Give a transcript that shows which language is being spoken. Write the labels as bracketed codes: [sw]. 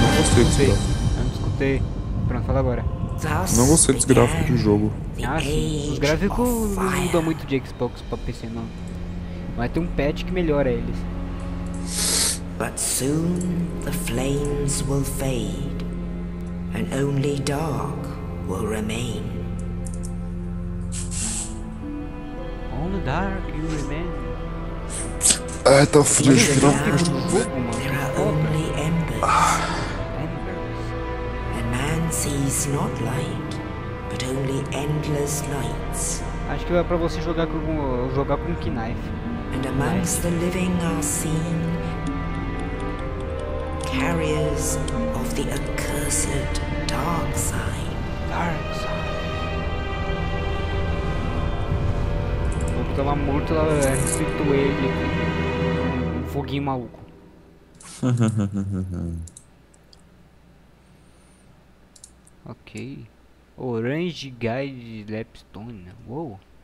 [pt] não gostei desse gráfico. Eu não escutei. Pronto, fala agora. Não gostei dos gráficos do jogo. Ah, sim. Os gráficos não mudam muito de Xbox pra PC, não. Mas tem um patch que melhora eles. [en] But soon the flames will fade, and only dark will remain. Only dark you remain. [pt] Ah, tá frio, acho que não. [en] There are only embers. Embers. A man sees not light, but only endless nights. [pt] Acho que é pra você jogar com Knife. [en] And amongst the living are seen. Carriers of the accursed dark side. Dark side. [pt] Eu tava morto, ela ressuscitou ele. Um foguinho maluco. Ok. Orange Guide Lapstone. Uou.